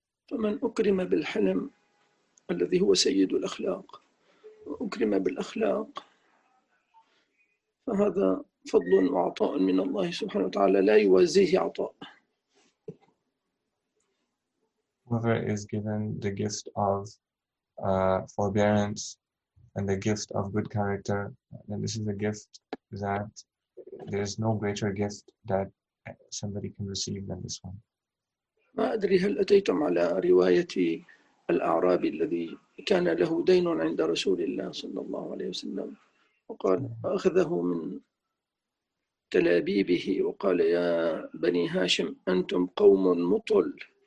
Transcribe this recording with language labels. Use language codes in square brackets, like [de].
[ar] فمن أكرم بالحلم الذي هو سيد الأخلاق وأكرم بالأخلاق فهذا فضل وعطاء من الله سبحانه وتعالى لا يوازيه عطاء. [en] Whoever is given the gift of forbearance and the gift of good character, then this is a gift that there is no greater gift that somebody can receive than this one. [ar] ما أدري هل أتيتم على رواية الأعرابي الذي كان له دين عند رسول الله صلى الله عليه وسلم وقال أخذه من تلابيبه وقال يا بني هاشم أنتم قوم مطل.